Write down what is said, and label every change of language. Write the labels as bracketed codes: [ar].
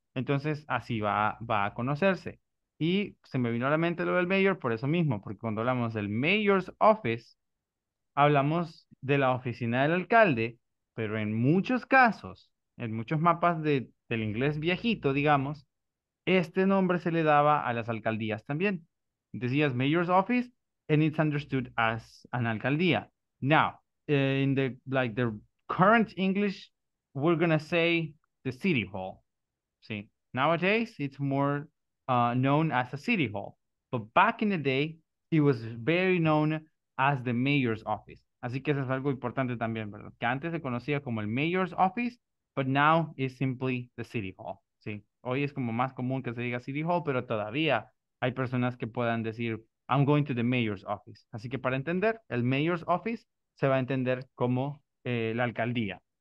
[es] Entonces, así va a conocerse. Y se me vino a la mente lo del mayor por eso mismo, porque cuando hablamos del mayor's office, hablamos de la oficina del alcalde, pero en muchos casos, en muchos mapas del inglés viejito, digamos, este nombre se le daba a las alcaldías también. Decías [en] mayor's office, and it's understood as an alcaldía. Now, in the, like, the current English, we're gonna say the city hall. See, nowadays, it's more... known as a city hall. But back in the day, it was very known as the mayor's office. [es] Así que eso es algo importante también, ¿verdad? Que antes se conocía como el [en] mayor's office, but now is simply the city hall. [es] Sí, hoy es como más común que se diga city hall, pero todavía hay personas que puedan decir, [en] I'm going to the mayor's office. [es] Así que para entender, el mayor's office se va a entender como la alcaldía.